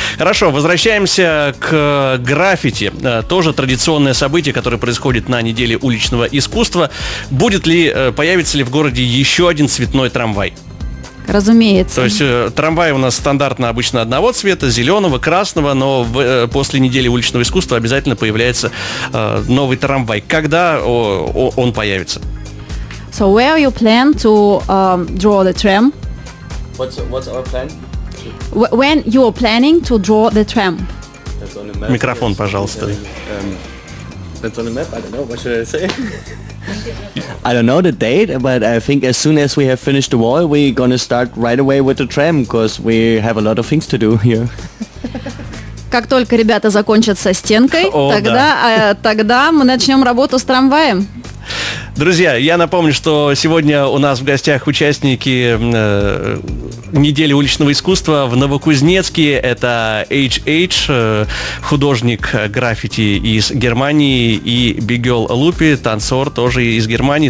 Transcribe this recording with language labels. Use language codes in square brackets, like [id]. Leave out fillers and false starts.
[ru] Хорошо, возвращаемся к граффити. Тоже традиционное событие, которое происходит на неделе уличного искусства. Появится ли в городе еще один цветной трамвай? Разумеется. То есть трамваи у нас стандартно обычно одного цвета, зеленого, красного, но после недели уличного искусства обязательно появляется новый трамвай. Когда он появится? [en] So where you plan to draw the tram? What's our plan? When you are planning to draw the tram? That's on the map. [ru] Микрофон, пожалуйста. [en] That's on the map. I don't know. What should I say? I don't know the date, but I think as soon as we have finished the wall, we're gonna start right away with the tram, because we have a lot of things to do here. [ru] Как только ребята закончат со стенкой, тогда мы начнем работу с трамваем. Друзья, я напомню, что сегодня у нас в гостях участники недели уличного искусства в Новокузнецке. Это HH, художник граффити из Германии, и Бигел Лупи, танцор тоже из Германии.